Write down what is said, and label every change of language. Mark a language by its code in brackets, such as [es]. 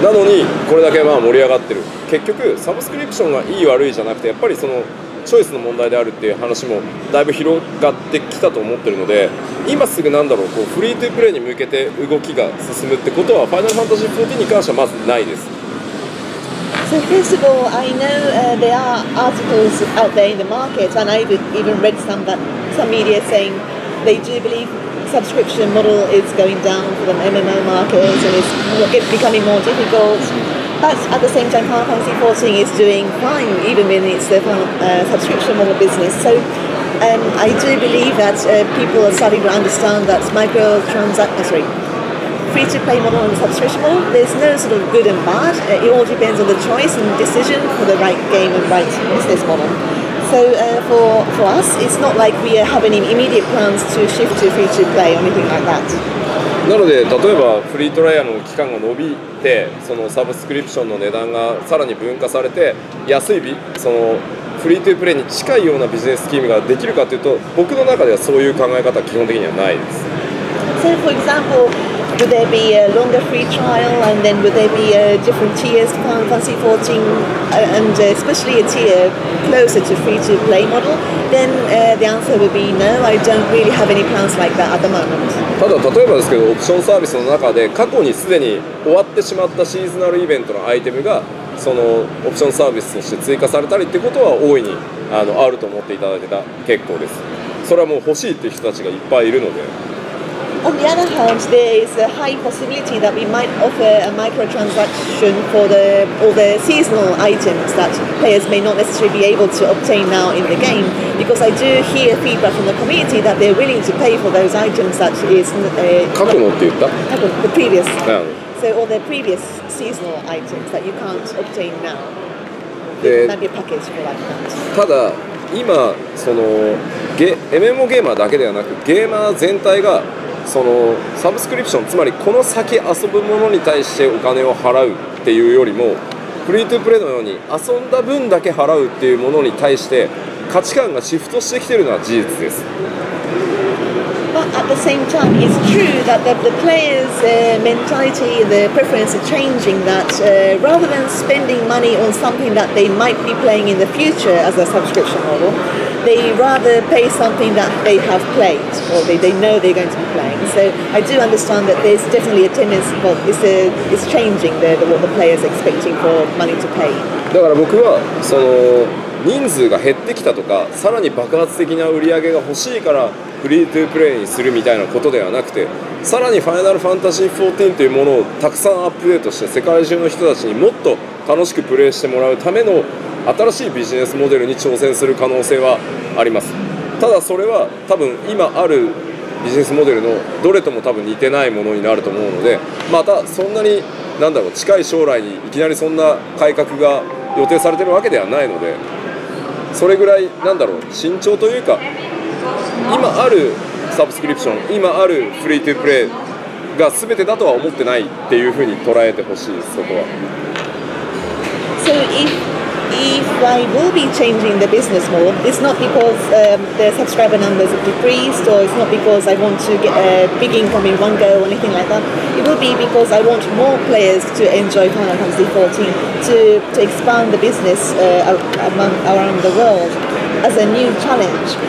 [ja] なのにこれだけまあ盛り上がってる。結局サブスクリプションがいい悪いじゃなくて、やっぱりそのチョイスの問題であるっていう話もだいぶ広がってきたと思ってるので、今すぐなんだろう、こうフリートゥープレイに向けて動きが進むってことはファイナルファンタジー14に関してはまずないです。 [en] So first of all, I know there are articles out there in the market, and I've even read some that some media saying they do believe subscription model is going down for the MMO market and it's becoming more difficult. But at the same time, Final Fantasy XIV is doing fine, even when it's the subscription model business. So I do believe that people are starting to understand that free-to-play model and subscription model, there's no sort of good and bad. It all depends on the choice and decision for the right game and right business model. So for us, it's not like we have any immediate plans to shift to free-to-play or anything like that. [ja] なので例えばフリートライアルの期間が伸びて、そのサブスクリプションの値段がさらに分化されて安い日、そのフリートゥープレイに近いようなビジネススキームができるかというと、僕の中ではそういう考え方は基本的にはないです。 [en] So for example, would there be a longer free trial and then would there be a different tiers to Final Fantasy XIV and especially a tier closer to free to play model? Then the answer would be no, I don't really have any plans like that at the moment. [ja] ただ例えばですけど、オプションサービスの中で過去にすでに終わってしまったシーズナルイベントのアイテムがそのオプションサービスとして追加されたりってことは大いに あると思っていただけた結構です。それはもう欲しいっていう人たちがいっぱいいるので。 [en] On the other hand, there is a high possibility that we might offer a microtransaction for all the seasonal items that players may not necessarily be able to obtain now in the game. Because I do hear feedback from the community that they're willing to pay for those items that is the previous seasonal items that you can't obtain now. Maybe a package for like that. [ja] ただ今そのMMO ゲーマーだけではなくゲーマー全体がそのサブスクリプション、つまりこの先遊ぶものに対してお金を払うっていうよりも、フリートゥープレイのように遊んだ分だけ払うっていうものに対して価値観がシフトしてきてるのは事実です。 [en] But at the same time, it's true that the players' mentality, the preference is changing, that rather than spending money on something that they might be playing in the future as a subscription model,They rather pay something that they have played or they know they're going to be playing. So I do understand that there's definitely a tendency, but it's changing the what the players expecting for money to pay. [ja] だから僕はその人数が減ってきたとか、さらに爆発的な売り上げが欲しいからフリートゥープレイにするみたいなことではなくて、さらにファイナルファンタジー14というものをたくさんアップデートして世界中の人たちにもっと楽しくプレイしてもらうための新しいビジネスモデルに挑戦する可能性はあります。ただそれは多分今あるビジネスモデルのどれとも多分似てないものになると思うので、またそんなに何だろう、近い将来にいきなりそんな改革が予定されてるわけではないので、それぐらい何だろう、慎重というか、今あるサブスクリプション、今あるフリートゥープレイが全てだとは思ってないっていうふうに捉えてほしい、そこは。 [en] So if I will be changing the business model, it's not because the subscriber numbers have decreased, or it's not because I want to get a big income in one go or anything like that. It will be because I want more players to enjoy Final Fantasy XIV, to expand the business around the world as a new challenge.